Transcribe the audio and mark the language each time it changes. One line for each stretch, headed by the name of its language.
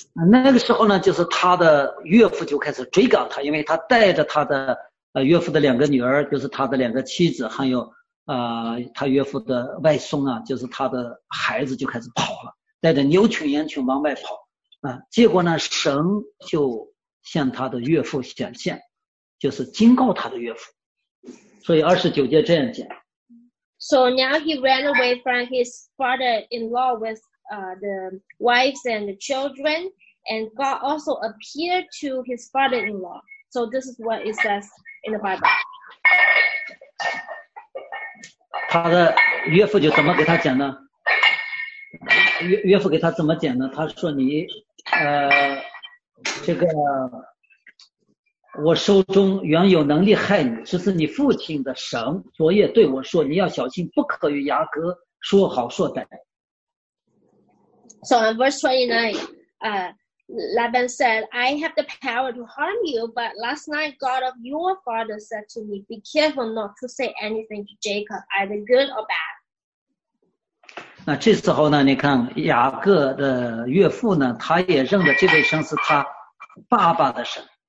Chinese: 那个时候呢，就是他的岳父就开始追赶他，因为他带着他的岳父的两个女儿，就是他的两个妻子，还有他岳父的外孙啊，就是他的孩子就开始跑了，带着牛群羊群往外跑啊。结果呢，神就向他的岳父显现，就是警告他的岳父。所以29这样讲。
English: So now he ran away from his father-in-law with the wives and the children, and God also appeared to his father-in-law. So this is what it says in the Bible.
Chinese: 他的岳父就怎么给他讲呢？岳父给他怎么讲呢？他说你，这个，我手中原有能力害你，只是你父亲的神昨夜对我说，你要小心，不可与雅各说好说歹。
English: So in verse 29, Laban said, I have the power to harm you, but last night God of your father said to me, be careful not to say anything to Jacob, either good or bad.
Chinese: 那这时候呢，你看雅各的岳父呢，他也认得这位神是他爸爸的神。